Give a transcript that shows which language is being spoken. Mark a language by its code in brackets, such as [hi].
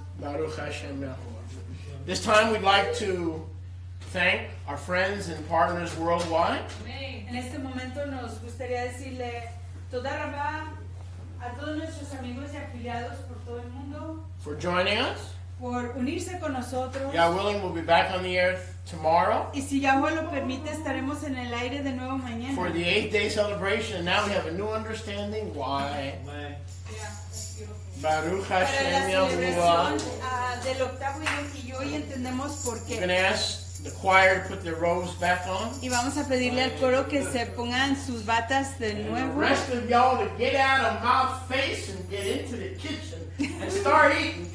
[en] time, we'd like to thank our friends and partners worldwide. [es] En este momento nos gustaría decirle [he] toda rabá [es] a todos nuestros amigos y afiliados por todo el mundo. [en] For joining us. [es] Por unirse con nosotros. [en] Yeah, willing, we'll be back on the air tomorrow. [es] Y si Yahweh lo permite, estaremos en el aire de nuevo mañana. [en] For the 8-day celebration, and now we have a new understanding why. [he] Baruch Hashem Yahuwah. [en] We're going to ask the choir to put their robes back on. [es] Y vamos a pedirle al coro que se pongan sus batas de nuevo. [en] And the rest of y'all to get out of my face and get into the kitchen and start eating.